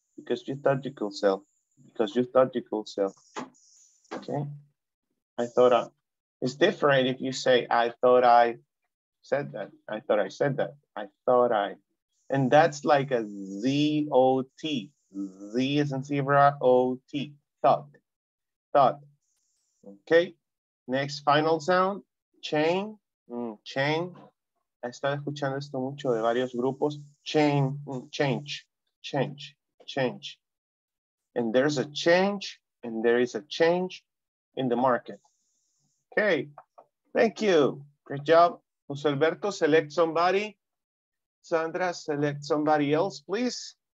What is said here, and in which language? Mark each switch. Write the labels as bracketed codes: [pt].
[en] Okay, it's different if you say, I thought I said that. And that's like a Z-O-T, Z as in zebra, O-T, thought, okay? Next final sound, chain. [es] He estado escuchando esto mucho de varios grupos. [en] Change. and there's a change, and there is a change in the market. Okay, thank you. Great job. José Alberto, select somebody. Sandra, select somebody else, please.